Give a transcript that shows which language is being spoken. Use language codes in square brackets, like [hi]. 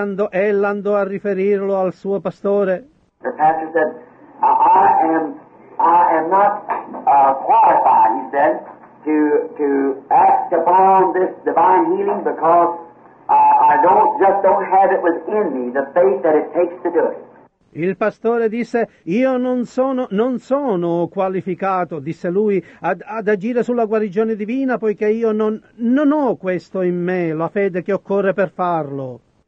[it] Ella andò a riferirlo al suo pastore. [en] The pastor said, I am not qualified, he said, to act upon this divine healing because I don't have it within me, the faith that it takes to do it. [it] Il pastore disse, io non sono qualificato, disse lui, ad agire sulla guarigione divina poiché io non ho questo in me, la fede che occorre per farlo.